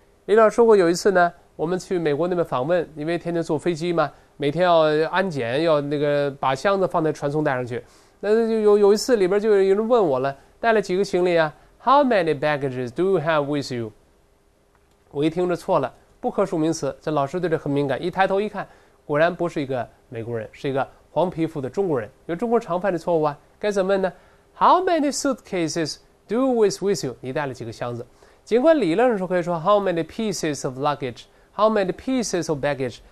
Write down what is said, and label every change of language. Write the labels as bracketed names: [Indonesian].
[Chinese] 李老师说过，有一次呢，我们去美国那边访问，因为天天坐飞机嘛，每天要安检，要那个把箱子放在传送带上去。那就有一次里边就有人问我了，带了几个行李啊？ [English] How many baggages do you have with you？ [Chinese] 我一听着错了，不可数名词，这老师对这很敏感，一抬头一看，果然不是一个美国人，是一个黄皮肤的中国人，有中国常犯的错误啊。该怎么问呢？ [English] How many suitcases do you with you？ [Chinese] 你带了几个箱子？尽管理论上可以说 [English] How many pieces of luggage？ How many pieces of baggage？